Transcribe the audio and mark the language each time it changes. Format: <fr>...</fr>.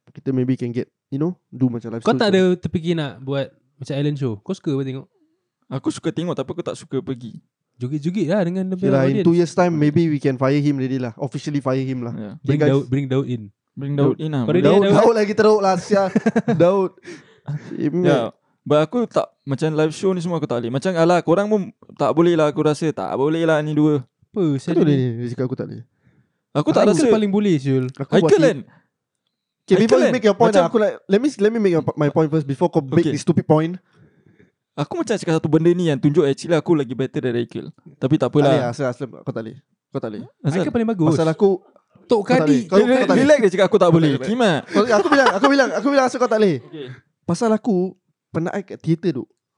<ms>Kita</ms> <en>maybe can get, you know, do</en> <ms>macam</ms> <en>live</en> <ms>show. Kau tak ada terfikir nak buat macam island show? Kau suka apa tengok? Aku suka tengok tapi aku tak suka pergi. Jugit-jugit lah dengan</ms> <en>the band. In 2 years time maybe we can fire him already lah. Officially fire him lah. Bring Daud in.</en> <ms>Daud lagi teruk lah Sia. Daud.</ms> <en>But</en> <ms>aku tak, macam live show ni semua aku tak boleh. Macam alah korang pun tak boleh lah aku rasa. Tak boleh lah ni dua. Apa? Kenapa dia ni? Dia cakap aku tak boleh. Aku tak rasa paling boleh Syul. Haikal kan.</ms> <en>Okay, before you make your point</en> <ms>aku</ms> <en>like, let me make my point first before</en> <ms>kau</ms> <en>make this stupid point.</en> <ms>Aku macam cakap satu benda ni yang tunjuk</ms> <en>actually</en> <ms>aku lagi</ms> <en>better</en> <ms>dari Haikal. Tapi tak apalah. Kau tak boleh. Haikal paling bagus. Pasal aku Tok Kadi. Relax dia cakap aku tak boleh. Kima. Aku bilang rasa kau tak boleh. Pasal aku pernah naik kat teater duk.</ms>